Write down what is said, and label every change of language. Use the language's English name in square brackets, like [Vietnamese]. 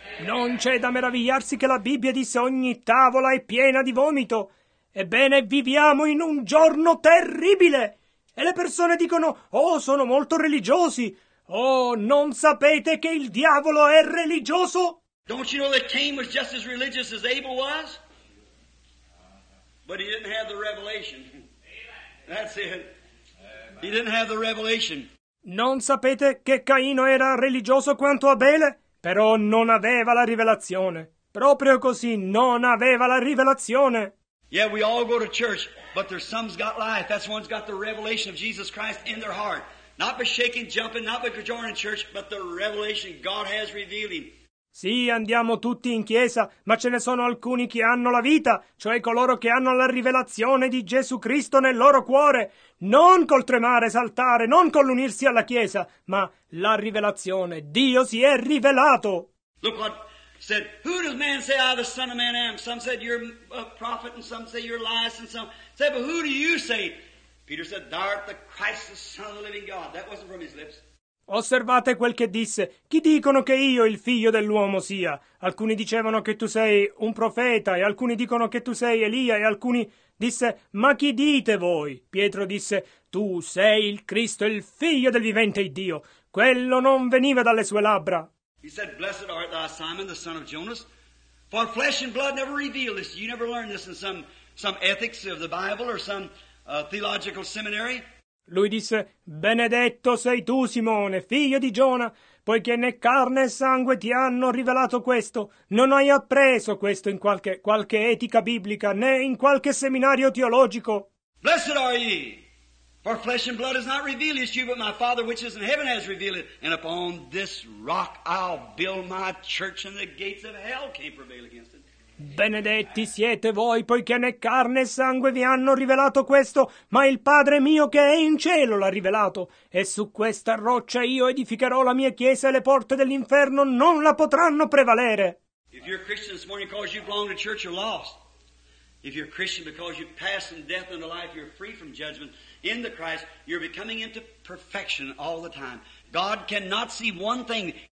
[Italian] Non c'è da meravigliarsi che la Bibbia disse ogni tavola è piena di vomito. Ebbene, viviamo in un giorno terribile. E le persone dicono, oh, sono molto religiosi. Oh, non sapete che il diavolo è religioso? [English] Don't you know that Cain was just as religious as Abel was? But he didn't have the revelation. That's it. He didn't have the revelation. [Italian] Non sapete che Caino era religioso quanto Abele? Però non aveva la rivelazione. Proprio così, non aveva la rivelazione. [English] Yeah, we all go to church, but there's some's got life. That's one's got the revelation of Jesus Christ in their heart. Not by shaking, jumping, not by cajoling church, but the revelation God has revealed him. [Italian] Sì, andiamo tutti in chiesa, ma ce ne sono alcuni che hanno la vita, cioè coloro che hanno la rivelazione di Gesù Cristo nel loro cuore. Non col tremare, saltare, non con l'unirsi alla chiesa, ma la rivelazione. Dio si è rivelato. [English] Look what said, who does man say I, the Son of Man, am? Some said you're a prophet, and some say you're Elias, and some said, but who do you say? Peter said, thou art the Christ, the Son of the living God. That wasn't from his lips. [Italian] Osservate quel che disse. Chi dicono che io il figlio dell'uomo sia? Alcuni dicevano che tu sei un profeta, e alcuni dicono che tu sei Elia, e alcuni disse, ma chi dite voi? Pietro disse, tu sei il Cristo, il figlio del vivente Dio. Quello non veniva dalle sue labbra. [English] He said, blessed art thou, Simon, the son of Jonas, for flesh and blood never revealed this. You never learned this in some ethics of the Bible or some theological seminary. [Italian] Lui disse, benedetto sei tu, Simone, figlio di Giona, poiché né carne e sangue ti hanno rivelato questo. Non hai appreso questo in qualche etica biblica, né in qualche seminario teologico. [English] Blessed are ye, for flesh and blood has not revealed it to you, but my Father which is in heaven has revealed it. And upon this rock I'll build my church, and the gates of hell can't prevail against it. [Italian] Benedetti siete voi, poiché né carne e sangue vi hanno rivelato questo, ma il Padre mio che è in cielo l'ha rivelato. E su questa roccia io edificherò la mia chiesa, e le porte dell'inferno non la potranno prevalere. [English] If you're a Christian this morning because you belong to church, you're lost. If you're a Christian because you pass from death into life, you're free from judgment in the Christ, you're becoming into perfection all the time. God cannot see one thing.